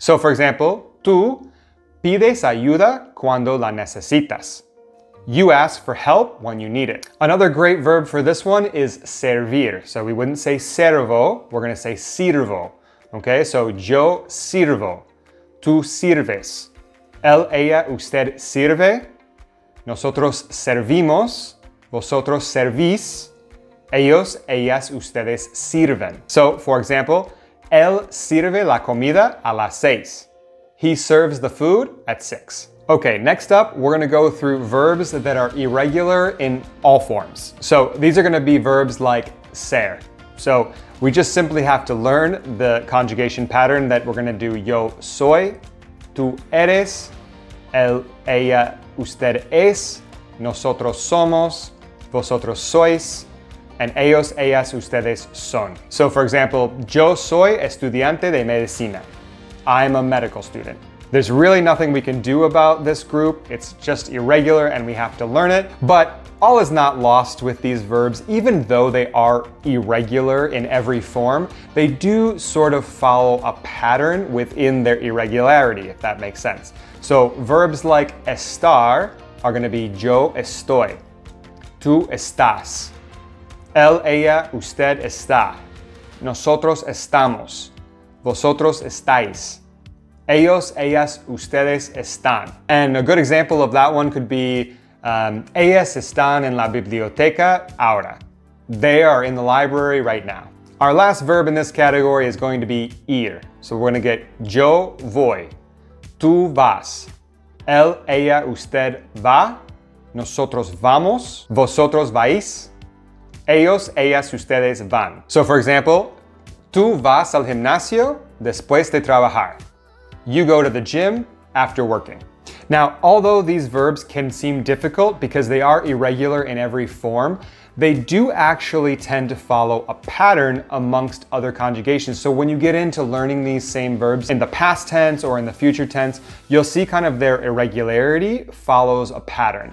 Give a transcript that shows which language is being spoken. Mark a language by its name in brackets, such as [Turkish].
[Spanish] So for example, tú pides ayuda cuando la necesitas. [English] You ask for help when you need it. Another great verb for this one is servir. So we wouldn't say servo, we're gonna say sirvo. [Spanish] Okay, so yo sirvo, tú sirves, él, ella, usted sirve, nosotros servimos, vosotros servís, ellos, ellas, ustedes sirven. So for example, él sirve la comida a las seis. [English] He serves the food at 6. Okay, next up, we're gonna go through verbs that are irregular in all forms. So these are gonna be verbs like ser. [Spanish] So we just simply have to learn the conjugation pattern that we're gonna do yo soy, tú eres, él, ella, usted es, nosotros somos, vosotros sois, and ellos, ellas, ustedes son. So for example, yo soy estudiante de medicina. [English] I'm a medical student. There's really nothing we can do about this group. It's just irregular and we have to learn it. But all is not lost with these verbs, even though they are irregular in every form. They do sort of follow a pattern within their irregularity, if that makes sense. [Spanish] So verbs like estar are gonna be yo estoy, tú estás, él, ella, usted está, nosotros estamos, vosotros estáis, ellos, ellas, ustedes están. [English] And a good example of that one could be ellas están en la biblioteca ahora. They are in the library right now. Our last verb in this category is going to be ir. [Spanish] So we're gonna get yo voy, tú vas, él, ella, usted va, nosotros vamos, vosotros vais, ellos, ellas, ustedes van. So for example, tú vas al gimnasio después de trabajar. [English] You go to the gym after working. Now, although these verbs can seem difficult because they are irregular in every form, they do actually tend to follow a pattern amongst other conjugations. So when you get into learning these same verbs in the past tense or in the future tense, you'll see kind of their irregularity follows a pattern.